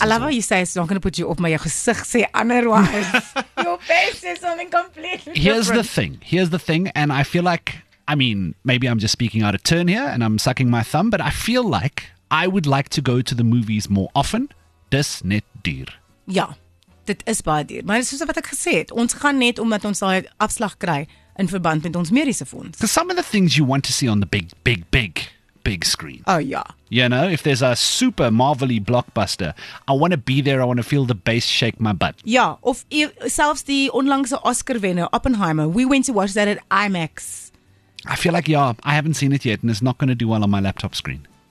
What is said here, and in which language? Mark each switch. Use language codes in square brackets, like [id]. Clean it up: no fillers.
[en] I love how you say it's not going to put you off, [af] maar jou gesig sê [en] otherwise. Completely here's The thing. Here's the thing. And I feel like, I mean, maybe I'm just speaking out of turn here and I'm sucking my thumb, but I feel like I would like to go to the movies more often. [af] Dis net duur. Ja, dit is baie duur. Maar soos wat ek gesê het, ons gaan net omdat ons daai afslag kry in verband met ons mediese fonds. [en] Because some of the things you want to see on the big screen. Oh, yeah. You know, if there's a super marvelly blockbuster, I want to be there. I want to feel the bass shake my butt. Yeah, [af] of selfs die onlangse [en] Oscar winner, Oppenheimer, we went to watch that at IMAX. I feel like, yeah, I haven't seen it yet, and it's not going to do well on my laptop screen.